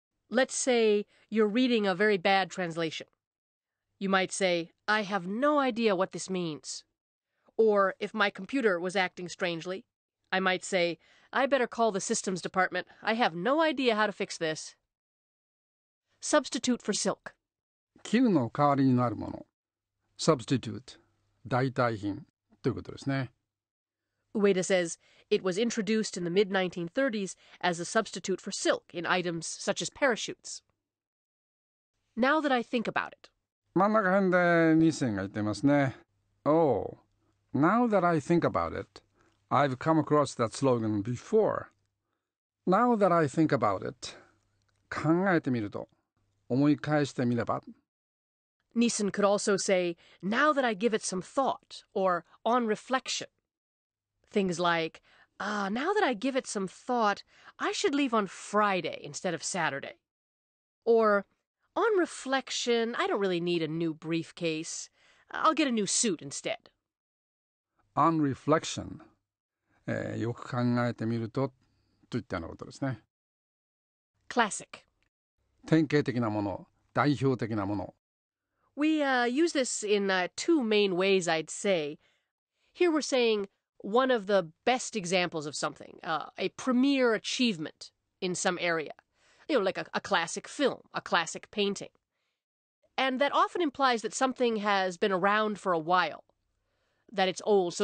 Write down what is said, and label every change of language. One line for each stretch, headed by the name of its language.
English: Let's say you're reading a very bad translation. You might say, I have no idea what this means. Or if my computer was acting strangely, I might say, I better call the systems department. I have no idea how to fix this. Substitute for silk.
Japanese: 絹の代わりになるもの。
English: Substitute.
Japanese: 代替品ということですね。
English: Ueda says, it was introduced in the mid-1930s as a substitute for silk in items such as parachutes. Now that I think about it.
Japanese: 真ん中辺でニッセンが言ってますね。
English: Oh, now that I think about it, I've come across that slogan before. Now that I think about it,
Japanese: 考えてみると、思い返してみれば。
English: Nissen could also say, now that I give it some thought, or on reflection. Things like, now that I give it some thought, I should leave on Friday instead of Saturday. Or, on reflection, I don't really need a new briefcase. I'll get a new suit instead. On reflection.
Japanese: よく考えてみると、といったようなことですね。
English: Classic.
Japanese: 典型的なもの、代表的なもの。
English: We use this in two main ways, I'd say. Here we're saying one of the best examples of something, a premier achievement in some area, you know, like a classic film, a classic painting. And that often implies that something has been around for a while, that it's old.